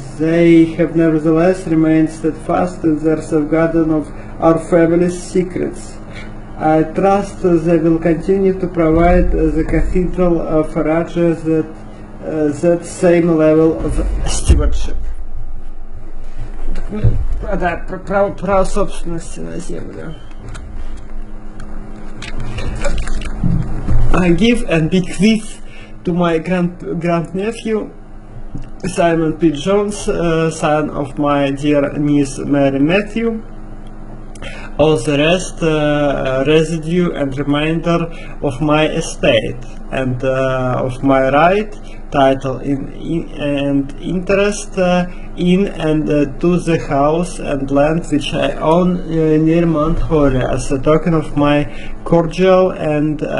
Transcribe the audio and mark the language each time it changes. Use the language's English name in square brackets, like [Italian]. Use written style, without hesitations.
[English] They have nevertheless remained steadfast in their safeguarding of our family's secrets. I trust they will continue to provide the cathedral of Raja that same level of stewardship. [Russian] Да, про собственность на землю. [English] I give and bequeath to my grand nephew Simon P. Jones, son of my dear niece Mary Matthew. All the rest, residue and remainder of my estate and of my right, title and interest in and to the house and land which I own near Mount Hore as a token of my cordial and